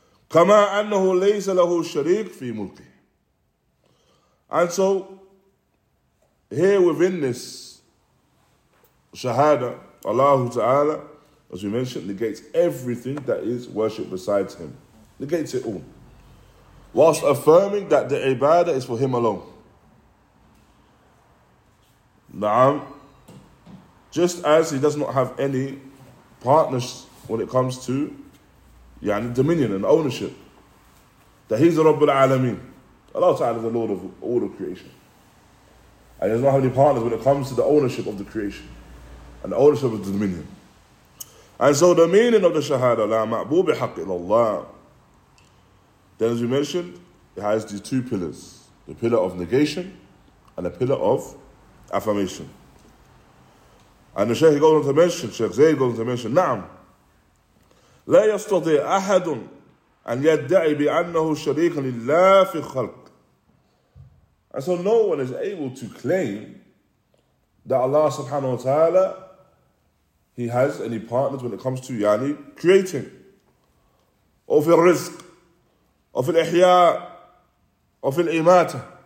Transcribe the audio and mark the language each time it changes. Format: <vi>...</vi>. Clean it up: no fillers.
<ar>كما أنه ليس له شريك في ملكه.</ar> <en>And so, here within this shahada, Allah Ta'ala, as we mentioned, negates everything that is worship besides him. Negates it all. Whilst affirming that the ibadah is for him alone. Na'am. Just as he does not have any partners when it comes to yani dominion and ownership. That he's the Rabbul Alameen. Allah Ta'ala is the Lord of all of creation. And he does not have any partners when it comes to the ownership of the creation and the ownership of the dominion. And so the meaning of the Shahada,</en> <ar>La ma'bu bihaq illallah.</ar> <en>Then as we mentioned, it has these two pillars. The pillar of negation and the pillar of affirmation. And the Shaykh goes on to mention, Shaykh Zayd goes on to mention, Na'am.</en> <ar>لا يستطيع أحد أن يدعي بأنه شريك لله في الخلق.</ar> <en>And so no one is able to claim that Allah subhanahu wa ta'ala he has any partners when it comes to yani creating or</en> <ar>في الرزق</ar> <en>or</en> <ar>في الإحياء</ar> <en>or</en> <ar>في الإماتة.</ar>